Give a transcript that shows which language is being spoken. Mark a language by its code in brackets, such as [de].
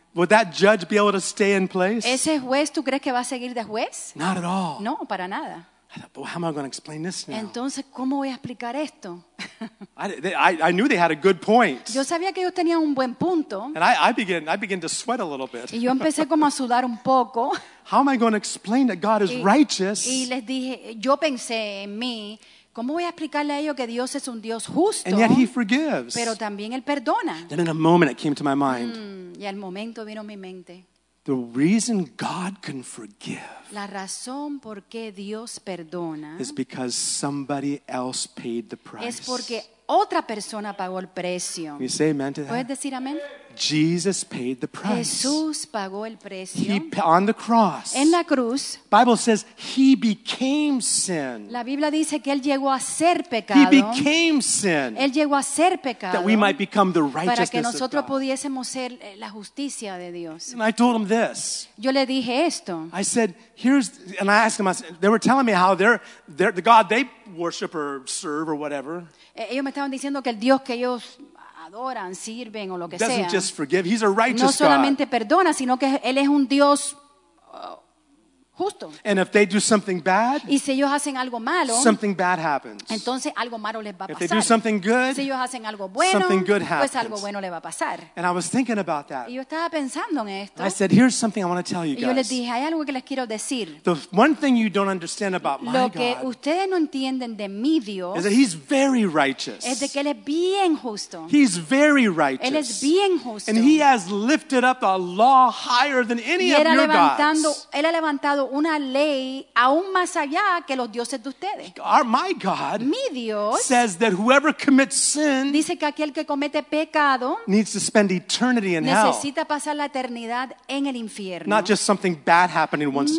[en] Would that judge be able to stay in place? [es] Ese juez, ¿tú crees que va a seguir de juez? [en] Not at all. [es] No, para nada. [en] I thought, well, how am I going to explain this now? [es] Entonces, ¿cómo voy a explicar esto? [en] I knew they had a good point. [es] Yo sabía que ellos tenían un buen punto. [en] And I began to sweat a little bit. [es] Y yo empecé como a sudar un poco. [en] How am I going to explain that God is righteous? [es] Y les dije, yo pensé en mí, ¿cómo voy a explicarle a ellos que Dios es un Dios justo? [en] And yet he forgives. [es] Pero también él perdona. [en] Then in a moment it came to my mind. [es] Y al momento vino mi mente. [en] The reason God can forgive [es] La razón por qué Dios perdona [en] is because somebody else paid the price. [es] Es porque otra persona pagó el precio. [en] You say amen to that? [es] ¿Puedes decir amén? [en] Jesus paid the price. [es] Jesús pagó el precio. [en] He, on the cross. [es] En la cruz. [en] Bible says he became sin. [es] La Biblia dice que él llegó a ser pecado. [en] He became sin. [es] Él llegó a ser pecado. [en] That we might become the righteousness of God. [es] Para que nosotros [en] God. [es] Pudiésemos ser la justicia de Dios. [en] And I told him this. [es] Yo le dije esto. [en] I said, here's, and I asked him, they were telling me how they're the God they worship or serve or whatever. [es] Ellos me estaban diciendo que el Dios que ellos adoran, sirven o lo que [en] Doesn't Just forgive. He's a righteous [es] no solamente [en] God. [es] Perdona, sino que él es un Dios Justo. [en] And if they do something bad, [es] y si ellos hacen algo malo, [en] something bad happens. [es] Entonces algo malo les va a pasar. [en] If they do something good, [es] si ellos hacen algo bueno, [en] something good happens. [es] Pues algo bueno les va a pasar. [en] And I was thinking about that. [es] Y yo estaba pensando en esto. [en] I said, here's something I want to tell you guys. [es] Y yo les dije, hay algo que les quiero decir. [en] The one thing you don't understand about [es] lo [en] my [es] que [en] God [es] ustedes no entienden de mi Dios [en] is that he's very righteous. [es] Es de que él es bien justo. [en] He's very righteous. [es] Él es bien justo. [en] And he has lifted up a law higher than any of your [es] levantando, [en] gods. [es] Él ha levantado una ley aún más allá que los dioses de ustedes. [en] My God, [es] mi Dios, [en] says that whoever commits sin, [es] dice que aquel que comete pecado, [en] needs to spend eternity in [es] necesita [en] hell. [es] Necesita pasar la eternidad en el infierno. [en] Not just something bad happening once